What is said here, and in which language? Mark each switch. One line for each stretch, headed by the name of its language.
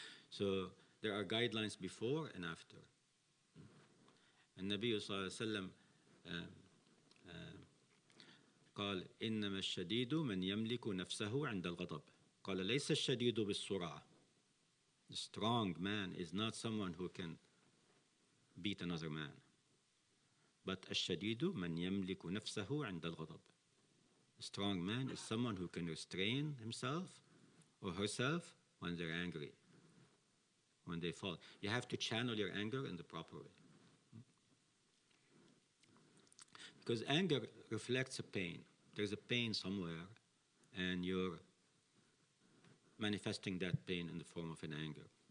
English: So there are guidelines before and after. And Nabi Sallallahu Alaihi Wasallam
Arabic: قال إنما الشديد من يملك نفسه عند الغضب. قال ليس الشديد بالسرعة.
English: The strong man is not someone who can beat another man. But
Arabic: الشديد من يملك نفسه عند الغضب.
English: A strong man is someone who can restrain himself or herself when they're angry, when they fall. You have to channel your anger in the proper way. Because anger reflects a pain. There's a pain somewhere, and you're manifesting that pain in the form of an anger.